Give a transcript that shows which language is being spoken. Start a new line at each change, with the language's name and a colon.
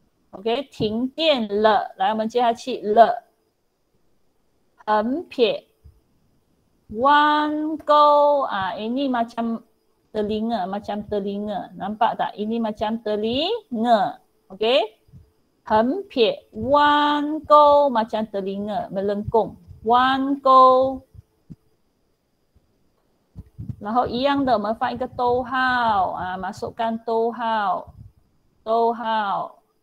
Chinese: OK， 停电了，来，我们接下去了。
Malay: 横撇，弯钩啊 ，ini macam telinga， macam telinga， nampak tak？ ini macam telinga， OK？横撇，弯钩 macam telinga， melengkung， 弯钩。
Chinese: 然后一样的，我们放一个逗号啊，
Malay: masukkan
Chinese: 逗号，逗号。